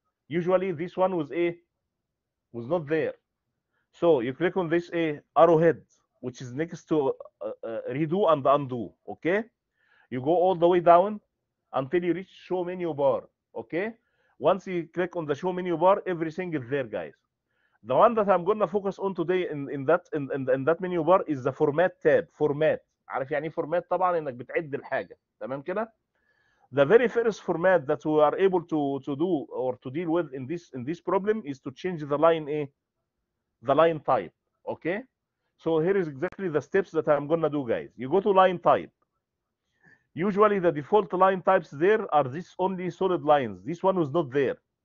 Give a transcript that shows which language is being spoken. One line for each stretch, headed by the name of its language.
English: Usually this one was not there. So you click on this A arrowhead, which is next to redo and undo, okay? You go all the way down until you reach show menu bar, okay? Once you click on the show menu bar, everything is there, guys. The one that I'm gonna focus on today in that menu bar is the format tab. Format.
Arabic: عارف يعني format طبعا انك بتعد الحاجة. تمام كده?
English: The very first format that we are able to do or to deal with in this problem is to change the line A, the line type. Okay? So here is exactly the steps that I'm gonna do, guys. You go to line type. Usually the default line types there are this only solid lines. This one was not there.